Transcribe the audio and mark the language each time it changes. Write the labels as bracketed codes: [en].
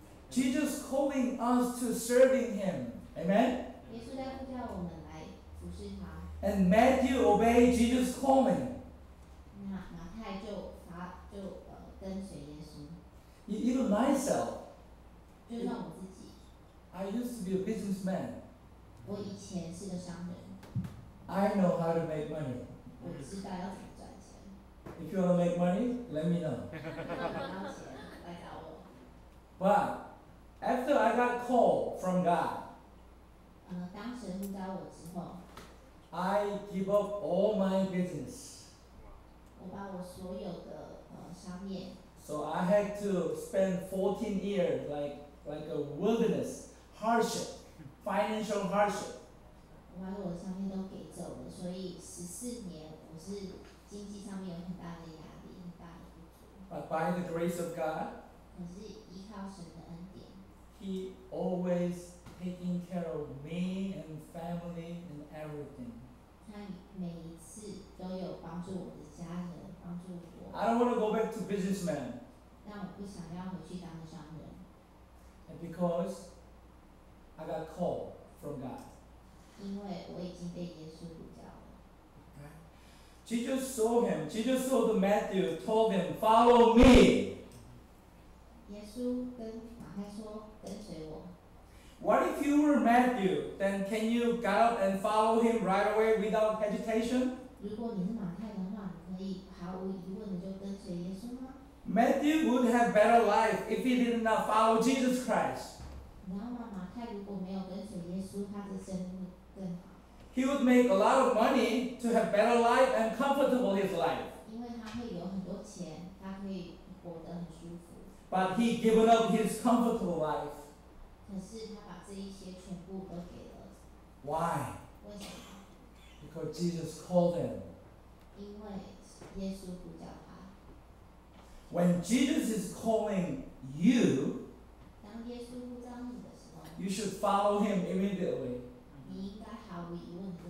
[en] Jesus calling us to serving Him. Amen. [zh] 耶稣在呼召我们来服侍他。 [en] And Matthew obey Jesus calling. [zh] 那马太就跟随耶稣。 [en] Even myself. [zh] 就像我自己。 [en] I used to be a businessman. [zh] 我以前是个商人。 [en] I know how to make money. [zh] 我知道要怎么赚钱。 [en] If you want to make money, let me know. [zh] 如果你要钱，来找我。 [en] But after I got called from God, [zh] 当神呼召我之后。 [en] I give up all my business. [zh] 我把我所有的商业。 [en] So I had to spend 14 years like a wilderness hardship, financial hardship. [zh] 我把我的商业都给走了，所以14年我是经济上面有很大的压力，很大的不足。 [en] But by the grace of God, [zh] 我是依靠神的恩典。 [en] He always taking care of me and family and everything. [zh] 他每一次都有帮助我的家人，帮助我。 [en] I don't want to go back to businessman. [zh] 但我不想要回去当个商人。 [en] And because I got called from God. [zh] 因为我已经被耶稣呼召了。 [en] Jesus saw him. Jesus saw the Matthew. Told him, "Follow me." [zh] 耶稣跟马太说，跟随我。 [en] What if you were Matthew? Then can you get up and follow him right away without hesitation? [zh] 如果你是马太的话，你可以毫无疑问的就跟随耶稣吗？ [en] Matthew would have better life if he did not follow Jesus Christ. [zh] 你知道吗？马太如果没有跟随耶稣，他的生命更好。 [en] He would make a lot of money to have better life and comfortable his life. [zh] 因为他会有很多钱，他可以活得很舒服。 [en] But he given up his comfortable life. [zh] 可是他把这一些全部都给了。 [en] Why? [zh] 为什么？ [en] Because Jesus called him. [zh] 因为耶稣呼叫他。 [en] When Jesus is calling you, [zh] 当耶稣呼叫你的时候， [en] you should follow him immediately. [zh] 你应该毫无疑问的。